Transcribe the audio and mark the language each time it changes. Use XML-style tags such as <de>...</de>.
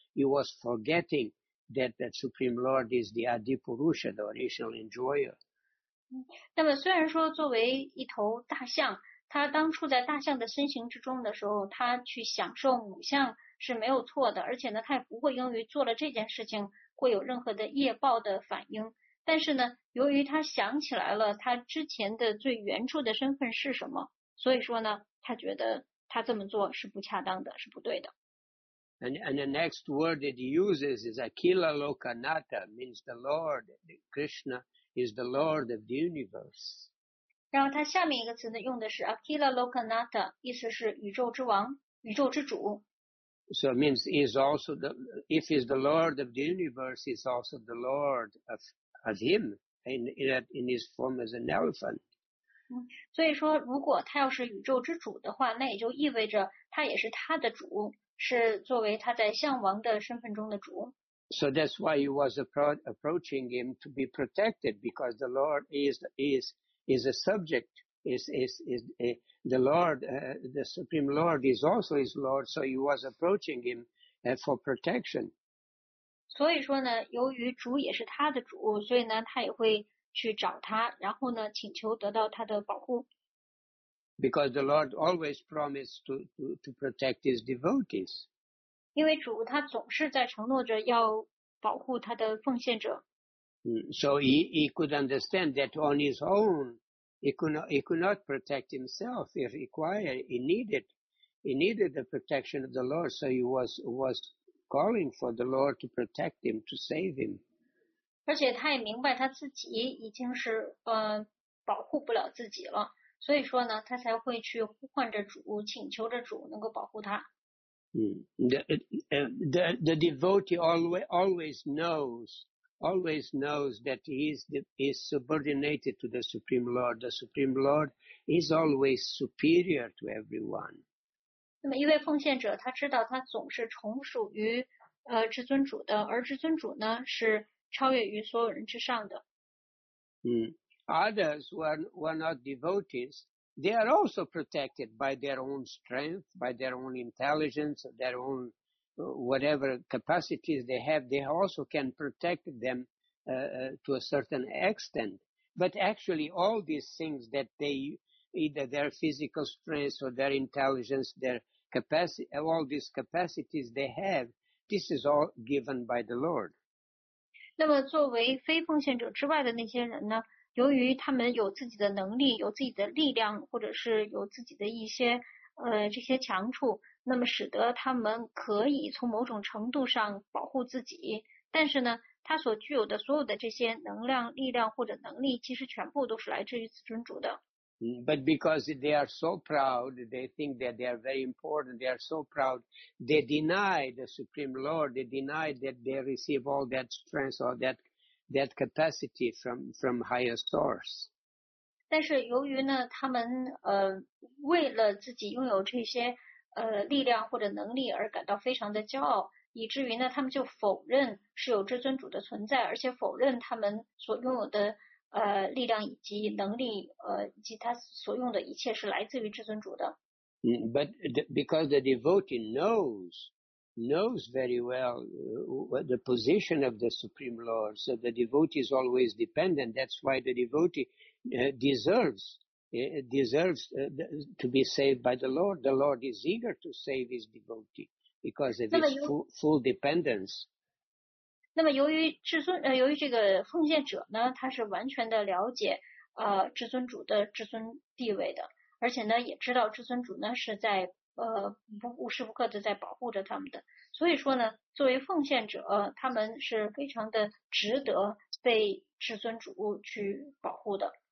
<en>He was forgetting that the Supreme Lord is the Adipurusha, the original enjoyer.</en> <zh>那么虽然说作为一头大象，他当初在大象的身形之中的时候，他去享受母象是没有错的，而且呢他也不会因为做了这件事情会有任何的业报的反应，但是呢由于他想起来了他之前的最原初的身份是什么，所以说呢他觉得他这么做是不恰当的，是不对的。</zh> <en>And the next word that he uses is Akila Lokanata, means the Lord, Krishna is the Lord of the universe.</en> <zh>然后他下面一个词呢用的是 Akila Lokanata, 意思是宇宙之王，宇宙之主。</zh> <en>So it means he's also the, if he's the Lord of the universe, he's also the Lord of him in his form as an elephant.</en> <zh>所以说如果他要是宇宙之主的话，那也就意味着他也是他的主，是作为他在象王的身份中的主。</zh> <en>So that's why he was approaching him to be protected, because the Lord is a subject. The Lord, the Supreme Lord is also his Lord, so he was approaching him for protection.</en> <zh>所以说呢，由于主也是他的主，所以呢，他也会去找他，然后呢，请求得到他的保护。</zh> <en>Because the Lord always promised to protect his devotees.</en> <zh>因为主他总是在承诺着要保护他的奉献者。</zh> <en>So he could understand that on his own,He could not protect himself. He required, he needed the protection of the Lord. So he was calling for the Lord to protect him, to save him.</en> <zh>而且他也明白他自己已经是保护不了自己了，所以说呢，他才会去呼唤着主，请求着主能够保护他。</zh> <en>The devotee always knows that he is subordinated to the Supreme Lord. The Supreme Lord is always superior to everyone.</en> <zh>那么一位奉献者他知道他总是从属于至尊主的，而至尊主呢是超越于所有人之上的。</zh> <en>Others who are not devotees, they are also protected by their own strength, by their own intelligence, their ownwhatever capacities they have, they also can protect them to a certain extent. But actually, all these things that they, either their physical strength or their intelligence, their capacity, all these capacities they have, this is all given by the Lord.</en> <zh>那么作为非奉献者之外的那些人呢，由于他们有自己的能力，有自己的力量，或者是有自己的一些这些强处，那么使得他们可以从某种程度上保护自己，但是呢他所具有的所有的这些能量力量或者能力其实全部都是来自于自尊主的。</zh> <en>But because they are so proud, they think that they are very important, they are so proud, they deny the Supreme Lord, they deny that they receive all that strength or that capacity from higher source.</en> <zh>但是由于呢他们为了自己拥有这些力量或者能力而感到非常的骄傲，以至于呢他们就否认是有至尊主的存在，而且否认他们所拥有的力量以及能力以及他所用的一切是来自于至尊主的。</zh> <en>But because the devotee knows very well the position of the Supreme Lord, so the devotee is always dependent, that's why the deveteeDeserves to be saved by the Lord. The Lord is eager to save his devotee because of his full dependence.</en> <zh>那么由于至尊由于这个奉献者呢，他是完全的了解至尊主的至尊地位的，而且呢也知道至尊主呢是在无时无刻的在保护着他们的。所以说呢作为奉献者他们是非常的值得被至尊主去保护的。</zh>